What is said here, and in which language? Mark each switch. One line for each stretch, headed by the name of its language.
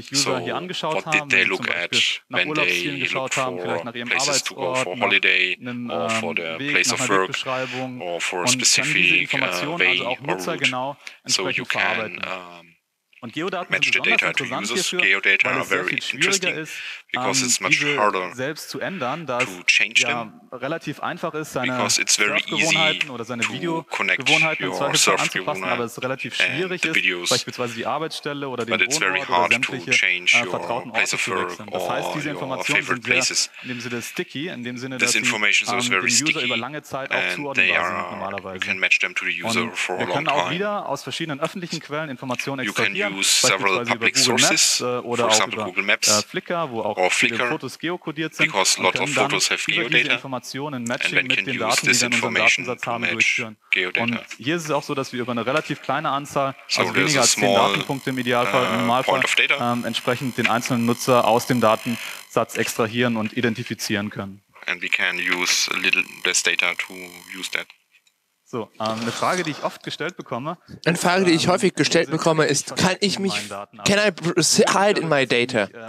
English: So what did they look at when they looked for places to go for holiday or for the place of work or for a specific way or route? So you can
German: und Geodaten
English: match the data to users. Geodata are very interesting because it's much harder to change them.
German: Relativ einfach ist, seine Surfgewohnheiten oder seine Videogewohnheiten im Zweifel anzupassen, aber es relativ schwierig ist, beispielsweise die Arbeitsstelle oder den Wohnort oder sämtliche vertrauten Orte zu wechseln. Das heißt, diese Informationen sind sehr, in dem Sinne sticky, in dem Sinne, dass sie den User über lange Zeit auch zuordnenbar sind normalerweise.
English: Can match them to the user for
German: wir können auch wieder aus verschiedenen öffentlichen Quellen Informationen extrahieren, beispielsweise über Google Maps
English: sources,
German: oder auch über Google Maps, Flickr, wo auch viele Fotos geokodiert sind.
English: Because a lot of photos have geodata.
German: Informationen matching mit den Daten, die wir in unserem Datensatz haben, durchführen.
English: Geodata.
German: Und hier ist es auch so, dass wir über eine relativ kleine Anzahl, also weniger als 10 Datenpunkte im Idealfall, im Normalfall, entsprechend den einzelnen Nutzer aus dem Datensatz extrahieren und identifizieren können.
English: And we can use a little less data to use that.
German: So, eine Frage, die ich oft gestellt bekomme. Eine Frage, die ich häufig gestellt bekomme, ist, kann ich mich,
English: can I hide in my data?